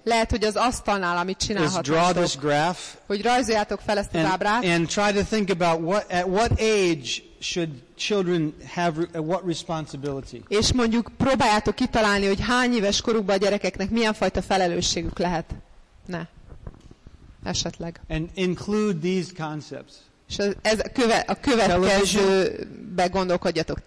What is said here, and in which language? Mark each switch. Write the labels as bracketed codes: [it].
[hu] Lehet, hogy az asztalnál, amit csinálhatok. [en] Draw this graph. [hu] Hogy rajzoljátok fel ezt a ábrát. [en] And try to think about what at what age should children have what responsibility? [hu] És mondjuk próbáljátok kitalálni, hogy hány éves korukban a gyerekeknek milyen fajta felelősségük lehet. Ne. Esetleg. [en] And include these concepts. [hu] És ez a következőbe gondolkodjatok.